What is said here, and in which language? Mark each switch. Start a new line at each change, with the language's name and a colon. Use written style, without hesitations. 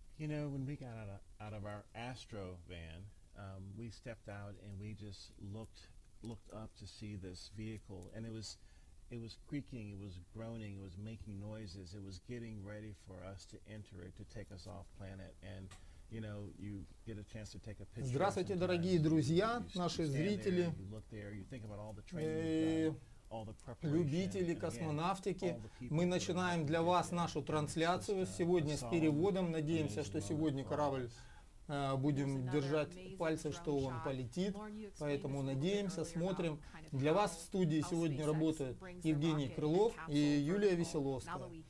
English: You know, when we got out of our Astro van, we stepped out and we just looked up to see this vehicle, and it was creaking, it was groaning, it was making noises, it was getting ready for us to enter it to take us off planet, and you know, you get a chance to take a picture.
Russian: Здравствуйте, дорогие друзья, наши зрители.
English: You look there, you think about all the training.
Russian: Любители космонавтики, мы начинаем для вас нашу трансляцию сегодня с переводом. Надеемся, что сегодня корабль будем держать пальцы, что он полетит. Поэтому надеемся, смотрим. Для вас в студии сегодня работают Евгений Крылов и Юлия Веселовская.